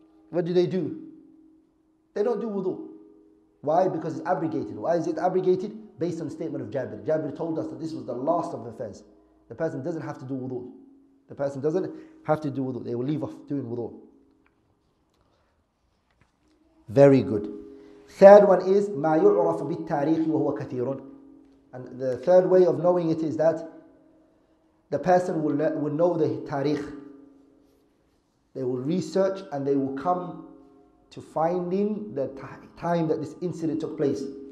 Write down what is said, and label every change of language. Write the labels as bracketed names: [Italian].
[English] What do? They don't do wudu. Why? Because it's abrogated. Why is it abrogated? Based on the statement of Jabir. Jabir told us that this was the last of the affairs. The person doesn't have to do wudu. The person doesn't have to do wudu. They will leave off doing wudu. Very good. Third one is [Arabic] ما يعرف بالتاريخ وهو كثير. [English] And the third way of knowing it is that the person will know the tariq. They will research and they will come to finding the time that this incident took place.